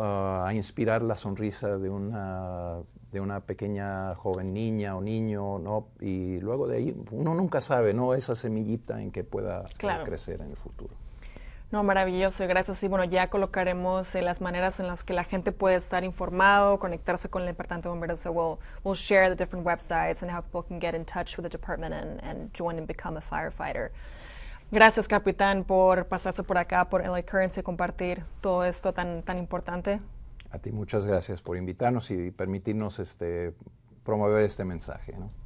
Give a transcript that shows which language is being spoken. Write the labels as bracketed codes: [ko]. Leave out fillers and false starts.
[es] A inspirar la sonrisa de una pequeña joven niña o niño, ¿no? Y luego de ahí, uno nunca sabe, ¿no? Esa semillita en que pueda claro. crecer en el futuro. No, maravilloso, gracias. Y bueno, ya colocaremos las maneras en las que la gente puede estar informado, conectarse con el Departamento de Bomberos. [en] So we'll share the different websites and how people can get in touch with the department and join and become a firefighter. [es] Gracias, Capitán, por pasarse por acá, por LA Currents y compartir todo esto tan, tan importante. A ti muchas gracias por invitarnos y permitirnos promover este mensaje, ¿no?